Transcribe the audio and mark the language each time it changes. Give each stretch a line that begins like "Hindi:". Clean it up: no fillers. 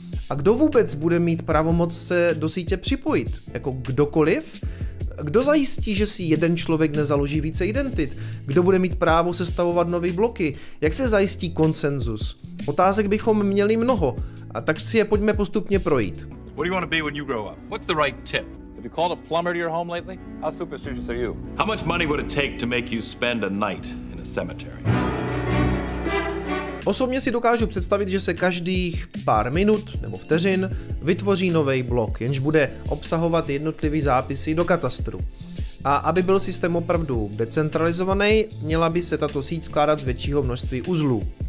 Czech: A kdo vůbec bude mít pravomoc se do sítě připojit? Jako kdokoliv? Kdo zajistí, že si jeden člověk nezaloží více identit? Kdo bude mít právo sestavovat nové bloky? Jak se zajistí konsenzus? Otázek bychom měli mnoho, a tak si je pojďme postupně projít.
English: What do you want to be when you grow up? What's the right tip? Have you called a plumber to your home lately? How superstitious are you? How much money would it take to make you spend a night in a cemetery?
Czech: Osobně si dokážu představit, že se každých pár minut nebo vteřin vytvoří nový blok, jenž bude obsahovat jednotlivý zápisy do katastru. A aby byl systém opravdu decentralizovaný, měla by se tato síť skládat z většího množství uzlů.